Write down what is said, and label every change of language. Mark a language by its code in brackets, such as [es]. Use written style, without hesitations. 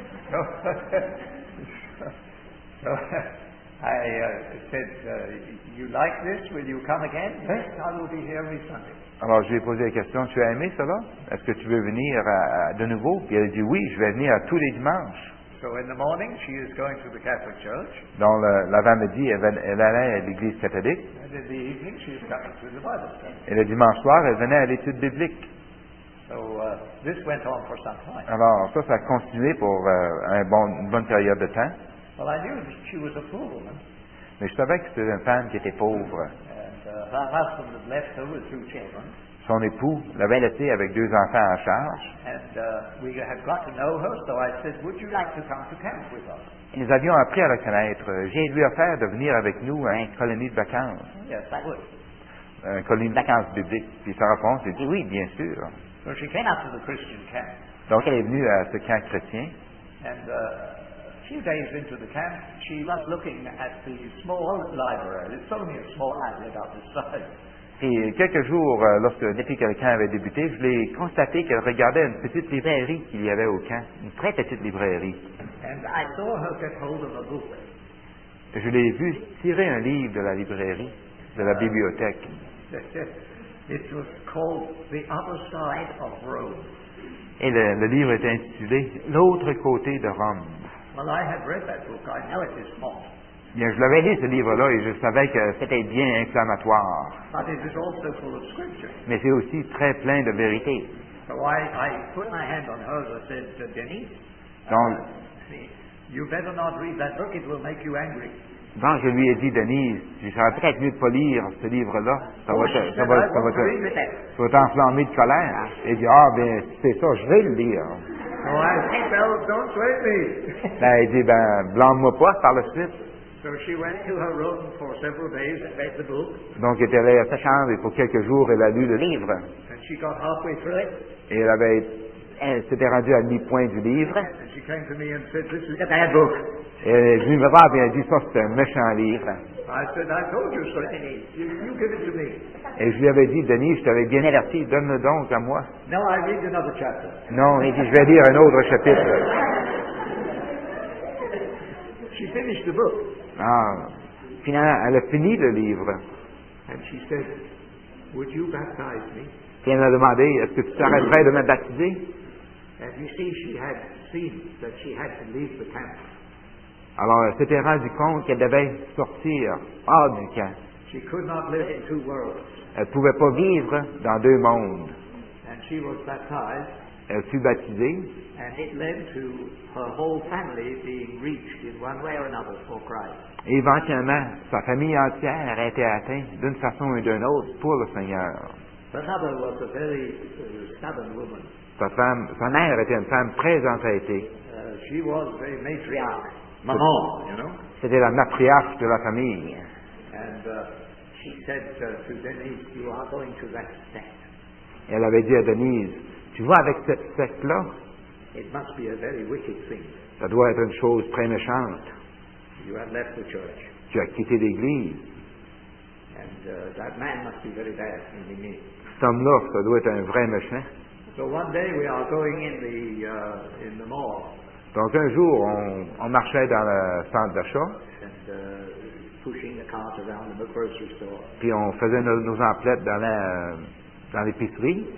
[en] So, I said, you like this? Will you come again? Yes, I will be here every Sunday. [fr] Alors je lui ai posé la question, tu as aimé cela? Est-ce que tu veux venir de nouveau? Puis elle a dit, oui, je vais venir tous les dimanches. [en] So in the morning, she is going to the Catholic Church. [fr] Dans l'avant-midi, elle allait à l'église catholique. [en] And in the evening, she is coming to the Bible study. [fr] Et le dimanche soir, elle venait à l'étude biblique. [en] So this went on for some time. [fr] Alors ça a continué pour une bonne période de temps. [en] Well, I knew that she was a poor woman. [fr] Mais je savais que c'était une femme qui était pauvre. [en] Her husband had left her with two children. [fr] Son époux l'avait laissé avec deux enfants en charge. [en] And we had got to know her, so I said, would you like to come to camp with us? [fr] Et nous avions appris à la connaître. J'ai lui offert de venir avec nous à une colonie de vacances. [en] Yes, I would. [fr] Une colonie de vacances biblique. Puis sa réponse est dit, oui, bien sûr. [en] So she came out to the Christian camp. [fr] Donc elle est venue à ce camp chrétien. [en] And a few days into the camp, she was looking at the small library. It's only a small library about this size. [fr] Et quelques jours, lorsque l'épique à le camp avait débuté, je l'ai constaté qu'elle regardait une petite librairie qu'il y avait au camp, une très petite librairie. [en] And I saw her get hold of a book. [fr] Je l'ai vu tirer un livre de la librairie, de la bibliothèque. [en] It was called The Other Side of Rome. [fr] Et le livre était intitulé L'autre côté de Rome. [en] Well, I had read that book. I know it is small. [fr] Bien, je l'avais lu ce livre-là et je savais que c'était bien inflammatoire. [en] But it is also full of scripture. [fr] Mais c'est aussi très plein de vérité. [en] So I put my hand on hers and said, Denise, donc, you better not read that book, it will make you angry. [fr] Donc je lui ai dit, Denise, tu serais peut-être mieux de ne pas lire ce livre-là. Ça va t'enflammer de colère. Et dit, ah, bien, c'est ça, je vais le lire. [en] So I said, well, don't blame me. [fr] Là, il dit, ben, blâme-moi pas par la suite. [en] So she went to her room for several days and read the book. [fr] Donc elle était allée à sa chambre et pour quelques jours elle a lu le livre. [en] And she got halfway through it. [fr] Et elle avait elle s'était rendue à mi-point du livre. [en] She came to me and said, "This is a bad book." [fr] Et elle est venue me voir et elle a dit, ça c'est un méchant livre. [en] I said, "I told you so, Denise. You give it to me." [fr] Et je lui avais dit, Denise, je t'avais bien averti, donne-le donc à moi. [en] No, I read another chapter. [fr] Non, il dit, je vais lire un autre chapitre. [en] She finished the book. [fr] Ah, finalement, elle a fini le livre. [en] And she said, "Would you baptize me?" [fr] Et elle m'a demandé, est-ce que tu t'arrêterais de me baptiser? [en] And you see, she had seen that she had to leave the camp. [fr] Alors, elle s'était rendue compte qu'elle devait sortir hors du camp. [en] She could not live in two worlds. [fr] Elle ne pouvait pas vivre dans deux mondes. [en] And she was baptized. [fr] Elle fut baptisée. [en] And it led to her whole family being reached in one way or another for Christ. [fr] Et éventuellement, sa famille entière a été atteinte d'une façon ou d'une autre pour le Seigneur. [en] Another was a very stubborn woman. [fr] Sa femme, sa mère était une femme très entêtée. [en] She was a matriarch. Maman, you know? [fr] C'était la matriarche de la famille. [en] And she said to Denise, "You are going to that sect." [fr] Elle avait dit à Denise, tu vois avec cette secte-là? [en] It must be a very wicked thing. [fr] Ça doit être une chose très méchante. [en] You have left the church. [fr] Tu as quitté l'église. [en] And that man must be very bad in the meeting. [fr] Cet homme-là, ça doit être un vrai méchant. [en] So one day we are going in the mall. [fr] Donc un jour, on marchait dans le centre d'achat, [en] and, pushing the cart around in the grocery store. [fr] Puis on faisait nos emplettes dans la dans l'épicerie